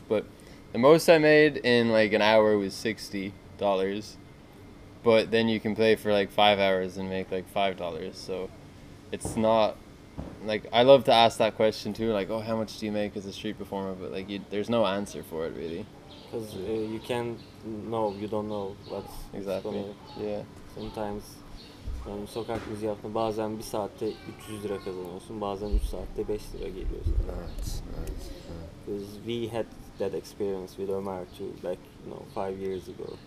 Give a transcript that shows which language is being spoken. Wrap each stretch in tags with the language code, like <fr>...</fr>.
<en>But the most I made in like an hour was $60, but then you can play for like 5 hours and make like $5. So it's not like, I love to ask that question too, like, oh, how much do you make as a street performer? But like there's no answer for it really. Because you can't know, you don't know what's exactly gonna, yeah. Sometimes,</en> <tr>sokak müziği yaptığında bazen bir saatte 300 lira kazanıyorsun, bazen 3 saatte 5 lira geliyorsun. Evet, evet.</tr> <en>Because we had that experience with Omar too, like, you know, 5 years ago.</en>